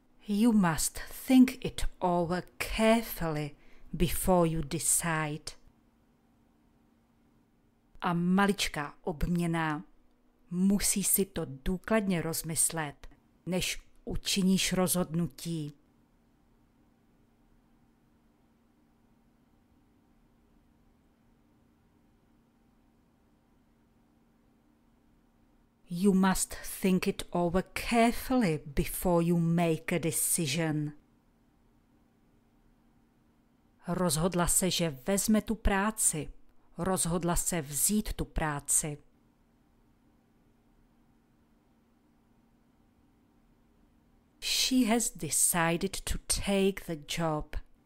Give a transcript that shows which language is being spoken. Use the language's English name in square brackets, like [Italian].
[English] You must think it over carefully before you decide. [Czech] A maličká obměna. Musí si to důkladně rozmyslet, než učiníš rozhodnutí. [English] You must think it over carefully before you make a decision. [Czech] Rozhodla se, že vezme tu práci. Rozhodla se vzít tu práci. [English] She has decided to take the job.